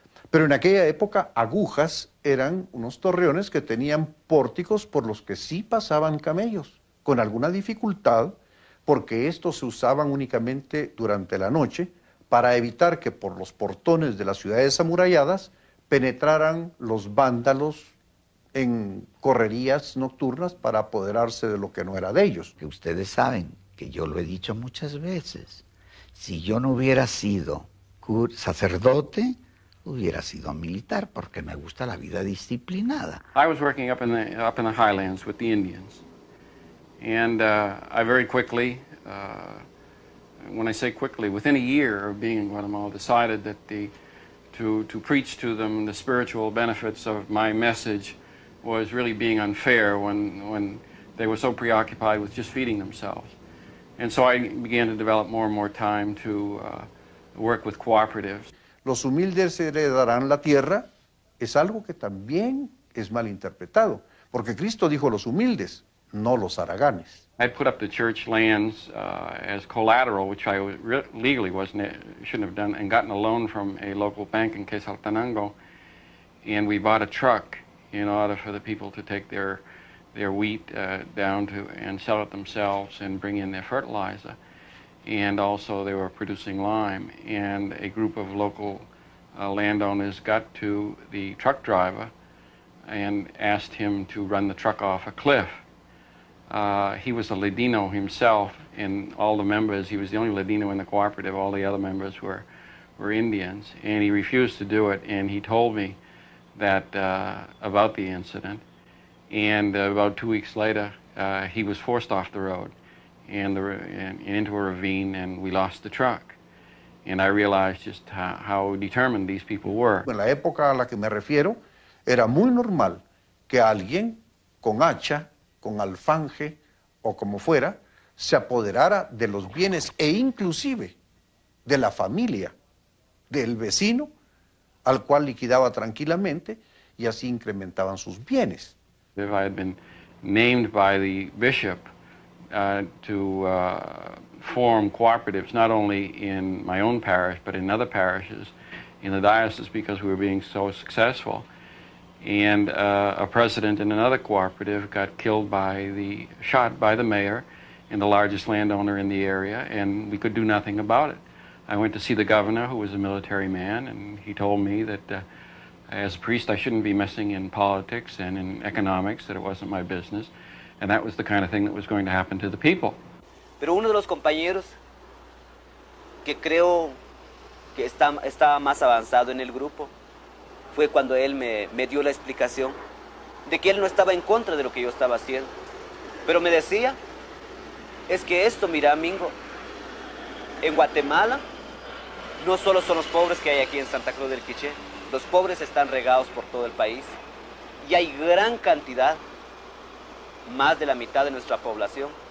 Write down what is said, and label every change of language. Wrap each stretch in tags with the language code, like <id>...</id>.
<es>Pero en aquella época, agujas eran unos torreones que tenían pórticos por los que sí pasaban camellos, con alguna dificultad, porque estos se usaban únicamente durante la noche para evitar que por los portones de las ciudades amuralladas penetraran los vándalos en correrías nocturnas para apoderarse de lo que no era de ellos. Que ustedes saben, que yo lo he dicho muchas veces, si yo no hubiera sido sacerdote, hubiera sido militar, porque me gusta la vida disciplinada.</es> <en>I was working up in the highlands with the Indians. And I very quickly, when I say quickly, within a year of being in Guatemala, decided that to preach to them the spiritual benefits of my message was really being unfair when they were so preoccupied with just feeding themselves. And so I began to develop more and more time to work with cooperatives.</en> <es>Los humildes heredarán la tierra es algo que también es malinterpretado, porque Cristo dijo los humildes, no los haraganes.</es> <en>I put up the church lands as collateral, which I shouldn't have done, and gotten a loan from a local bank in Quetzaltenango, and we bought a truck in order for the people to take their wheat down to and sell it themselves and bring in their fertilizer. And also they were producing lime, and a group of local landowners got to the truck driver and asked him to run the truck off a cliff. He was a Ladino himself, and all the members, he was the only Ladino in the cooperative, all the other members were Indians, and he refused to do it, and he told me that about the incident, and about 2 weeks later he was forced off the road and into a ravine, and we lost the truck. And I realized just how determined these people were.</en> <es>En la época a la que me refiero, era muy normal que alguien con hacha, con alfanje o como fuera, se apoderara de los bienes e inclusive de la familia del vecino, al cual liquidaba tranquilamente y así incrementaban sus bienes.</es> <en>If I had been named by the bishop to form cooperatives, not only in my own parish, but in other parishes in the diocese, because we were being so successful, and a president in another cooperative got killed by the shot by the mayor and the largest landowner in the area, and we could do nothing about it. I went to see the governor, who was a military man, and he told me that as a priest I shouldn't be messing in politics and in economics, that it wasn't my business. And that was the kind of thing that was going to happen to the people.</en> <es>Pero uno de los compañeros que creo que estaba más avanzado en el grupo fue cuando él me dio la explicación de que él no estaba en contra de lo que yo estaba haciendo. Pero me decía, es que esto, mira, Mingo, en Guatemala no solo son los pobres que hay aquí en Santa Cruz del Quiché, los pobres están regados por todo el país y hay gran cantidad, más de la mitad de nuestra población.</es>